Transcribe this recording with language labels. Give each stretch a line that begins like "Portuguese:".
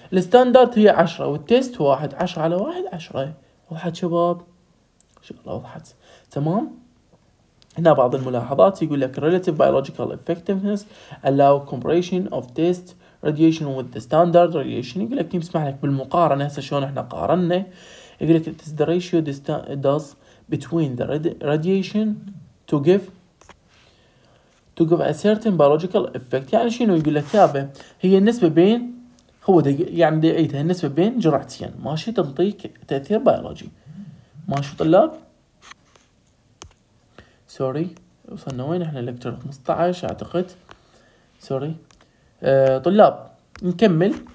Arabic: الستاندرد هي 10 والتيست 1، 10 على 1 10. وضحت شباب؟ ان شاء الله وضحت، تمام؟ هنا بعض الملاحظات يقول لك
English: relative biological effectiveness allow comparison of test radiation with the standard radiation.
Arabic: يقول لك يسمح لك بالمقارنة. هسه شلون احنا قارنا؟ يقول لك
English: the ratio does between the radiation to give a certain biological effect.
Arabic: يعني شنو يقول لك يابا؟ هي النسبة بين هو ده، يعني ده ايتها النسبة بين جرعتين ماشي تنطيك تأثير بيولوجي. ماشي طلاب، سوري وصلنا وين احنا؟ لكتشر 15 اعتقد، سوري طلاب نكمل.